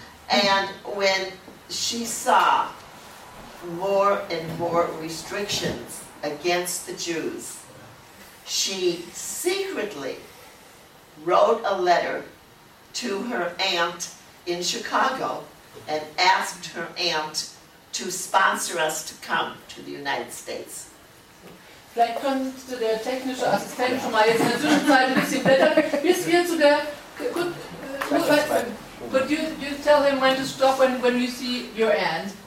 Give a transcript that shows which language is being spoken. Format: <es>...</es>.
<en>And when she saw more and more restrictions against the Jews, she secretly wrote a letter to her aunt in Chicago and asked her aunt to sponsor us to come to the United States.</en> <de>Vielleicht könnte der technische Assistent schon mal jetzt in der Zwischenzeit ein bisschen blättern, bis wir zu der...</de> <en>Could you tell him when to stop when you see your aunt?</en>